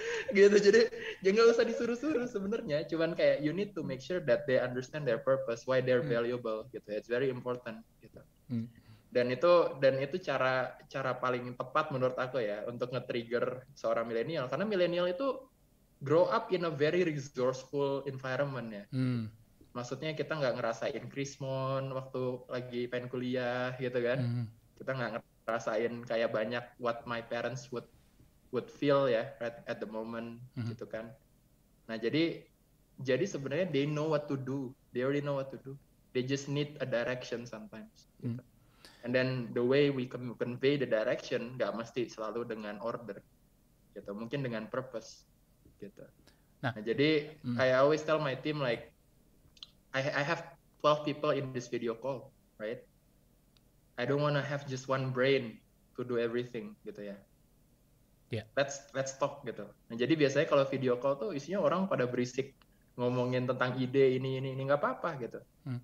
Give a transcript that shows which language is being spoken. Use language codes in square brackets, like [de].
[id] Gitu, jadi jangan usah disuruh-suruh sebenarnya. Cuman kayak [en] you need to make sure that they understand their purpose, why they're valuable, [id] gitu. [en] It's very important, [id] gitu. [en] Hmm. [id] Dan itu cara paling tepat menurut aku ya untuk nge-trigger seorang milenial. Karena milenial itu [en] grow up in a very resourceful environment ya. Hmm. [id] Maksudnya kita nggak ngerasain krismon waktu lagi pengen kuliah gitu kan. Hmm. Kita nggak ngerasain kayak banyak [en] what my parents would feel ya right at the moment. Hmm. [id] Gitu kan. Nah jadi sebenarnya [en] they know what to do. They already know what to do. They just need a direction sometimes. Gitu. Hmm. And then the way we convey the direction [id] gak mesti selalu dengan [en] order, gitu. [id] Mungkin dengan purpose, gitu. Nah jadi, [en] I always tell my team like, I have 12 people in this video call, right? I don't wanna have just one brain to do everything, [id] gitu ya. [en] Yeah. Let's talk, [id] gitu. Nah jadi biasanya kalau video call tuh isinya orang pada berisik ngomongin tentang ide ini nggak apa-apa gitu. Hmm.